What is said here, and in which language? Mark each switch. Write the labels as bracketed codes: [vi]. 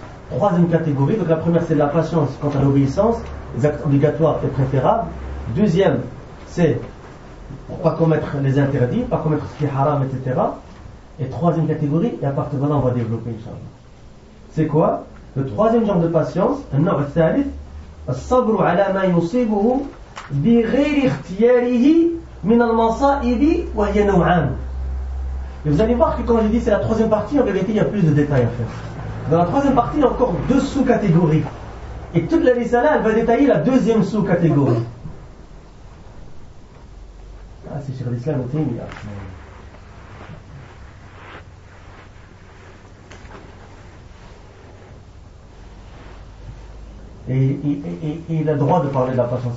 [fr] Troisième catégorie, donc la première c'est la patience quant à l'obéissance, les actes obligatoires et préférables. Deuxième, c'est pour ne pas commettre les interdits, pas commettre ce qui est haram, etc. Et troisième catégorie, et à partir de là on va développer, Inch'Allah. C'est quoi? Le troisième genre de patience, [ar] النوع الثالث, الصبر على ما يصيبه بغير اختياره من المصائب وهي نوعان. [fr] Et vous allez voir que quand j'ai dit c'est la troisième partie, en réalité il y a plus de détails à faire. Dans la troisième partie, il y a encore deux sous-catégories. Et toute la risala, elle va détailler la deuxième sous-catégorie. Ah, c'est sur l'islam, au thème, et il a le droit de parler de la patience.